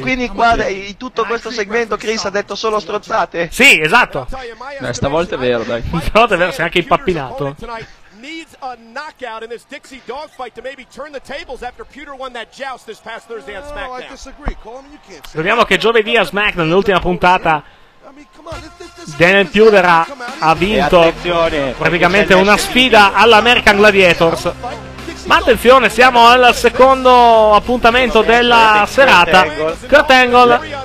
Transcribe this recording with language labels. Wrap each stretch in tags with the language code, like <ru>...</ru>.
<it>Quindi qua in tutto questo segmento Chris ha detto solo stronzate. Sì, esatto. Beh, stavolta è vero, dai. Stavolta è vero, sei anche impappinato.</it> <en>Needs a knockout in this Dixie Dogfight to maybe turn the tables after Pewter won that joust this past Thursday on SmackDown. No, I disagree. Call him, you can't say.</en> <it>Vediamo che giovedì a SmackDown, nell'ultima puntata, Daniel Pewter ha vinto praticamente una sfida all'American Gladiators. Ma attenzione, siamo al secondo appuntamento della serata. Kurt Angle,</it>